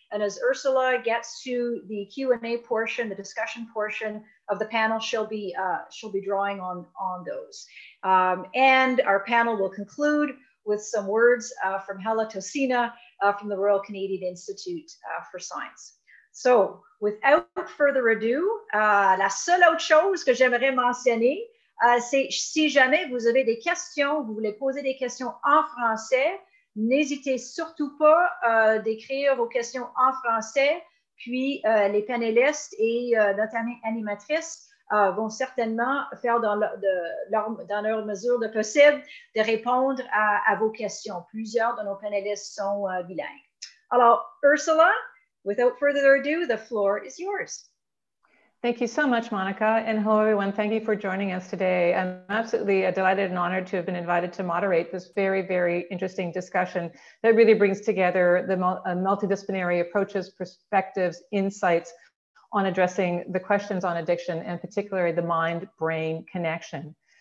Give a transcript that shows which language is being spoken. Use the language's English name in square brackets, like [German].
[English] And as Ursula gets to the Q&A portion, the discussion portion of the panel, she'll be drawing on those. And our panel will conclude with some words from Helle, Tosine from the Royal Canadian Institute for Science. So without further ado, [French] la seule autre chose que j'aimerais mentionner, c'est si jamais vous avez des questions, vous voulez poser des questions en français, n'hésitez surtout pas d'écrire vos questions en français, puis les panélistes et notre animatrice vont certainement faire dans leur mesure de possible de répondre à vos questions. Plusieurs de nos panélistes sont bilingues. [English] Alors, Ursula, without further ado, the floor is yours. Thank you so much, Monica, and hello, everyone. Thank you for joining us today. I'm absolutely delighted and honored to have been invited to moderate this very, very interesting discussion that really brings together the multidisciplinary approaches, perspectives, insights on addressing the questions on addiction, and particularly the mind-brain connection.